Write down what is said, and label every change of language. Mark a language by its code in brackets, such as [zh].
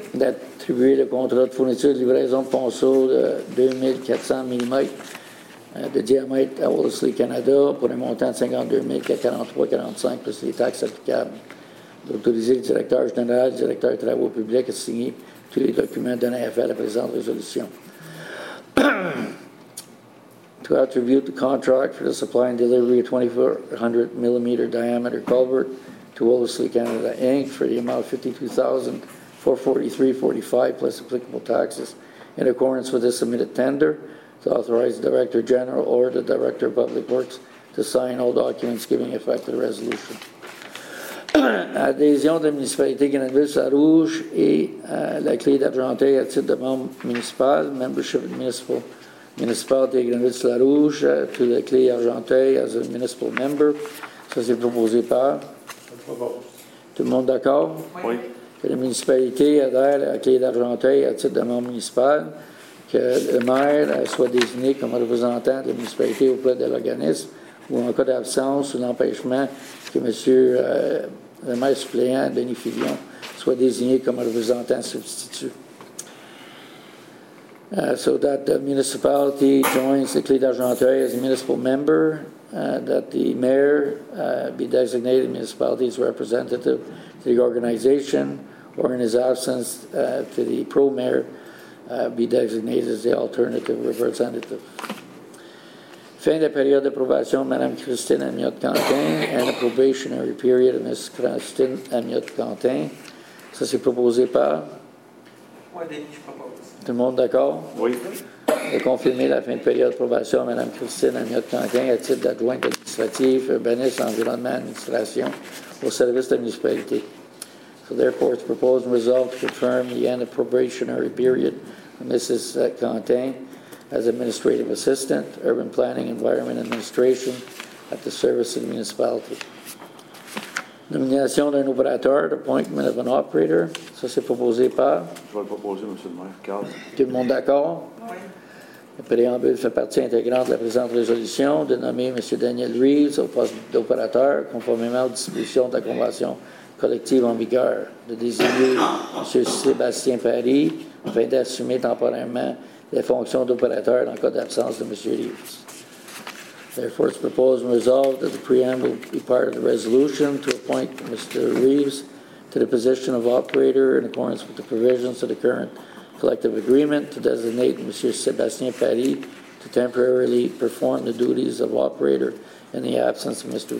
[fr] D'attribuer le contrat de fourniture de livraison de ponceaux de 2400 mm de diamètre à Willisley Canada pour un montant de 52 443,45 plus les taxes applicables. D'autoriser le directeur général, le directeur des travaux publics à signer tous les documents donnés à faire la présente résolution. [en] To attribute the contract for the supply and delivery of 2400 millimeter diameter culvert to Willisley Canada Inc. for the amount of $52,443.45 plus applicable taxes in accordance with the submitted tender. To authorize the Director General or the Director of Public Works to sign all documents giving effect to the resolution. [fr] Adhésion de la municipalité Grenville-Sarrouge et la clé d'argentée à titre de membre municipal, membership municipal, municipalité Grenville-Sarrouge, [en] to the clé argentée as a municipal member. [fr] Ça, c'est proposé par. Tout le monde d'accord? Oui. Que la municipalité adhère à la clé d'argentée à titre de membre municipal. Que le maire soit désigné comme représentant de la municipalité auprès de l'organisme ou en cas d'absence ou d'empêchement que M. le maire suppléant, Denis Fillion, soit désigné comme représentant substitut. [en] So that the municipality joins the Clé d'Argenteuil as a municipal member, that the mayor be designated municipality's representative to the organization, or in his absence, to the pro-mayor, be designated as the alternative representative. [fr] Fin de période d'approbation, [en] Madame Christine Amiot-Cantin, and a probationary period of Ms. [fr] Christine Amiot-Cantin. Ça, c'est proposé par? Moi, Denis, je propose. Tout le monde d'accord? Oui. Et confirmer la fin de période d'approbation, Madame Christine Amiot-Cantin, à titre d'adjointe administrative, urbaniste, environnement, administration, au service de la municipalité. [en] So therefore, it's proposed and resolved to confirm the end of probationary period of Mrs. Cantin as administrative assistant, urban planning, environment administration at the service of the municipality. [fr] Nomination d'un opérateur, [en] appointment of an operator. [fr] Ça, c'est proposé par? Je vais le proposer, Monsieur le maire. Carl. Tout le monde d'accord? Oui. Le préambule fait partie intégrante de la présente résolution de nommer M. Daniel Reeves au poste d'opérateur conformément aux dispositions de la convention collective en vigueur, de désigner M. Sébastien Paris afin d'assumer temporairement les fonctions d'opérateur en cas d'absence de M. Reeves. [en] Therefore, it's proposed and resolved that the preamble be part of the resolution to appoint Mr. Reeves to the position of operator in accordance with the provisions of the current collective agreement to designate M. Sébastien Paris to temporarily perform the duties of operator in the absence of Mr.